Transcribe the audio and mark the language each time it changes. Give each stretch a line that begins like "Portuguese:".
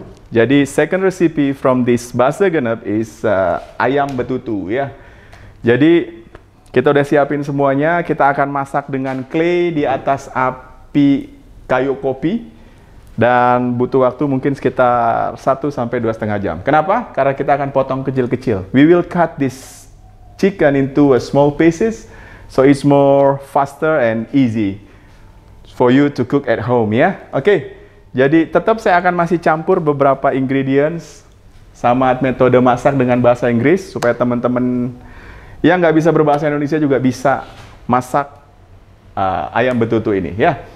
Indonesian: Jadi
English: second recipe from this base genep is ayam betutu ya.
Indonesian: Jadi kita udah siapin semuanya, kita akan masak dengan clay di atas api kayu kopi dan butuh waktu mungkin sekitar 1-2.5 jam. Kenapa? Karena kita akan potong kecil-kecil.
English: We will cut this chicken into a small pieces, so it's more faster and easy for you to cook at home, ya.
Indonesian: Oke, jadi tetap saya akan masih campur beberapa ingredients sama metode masak dengan bahasa Inggris supaya teman-teman yang nggak bisa berbahasa Indonesia juga bisa masak ayam betutu ini, ya.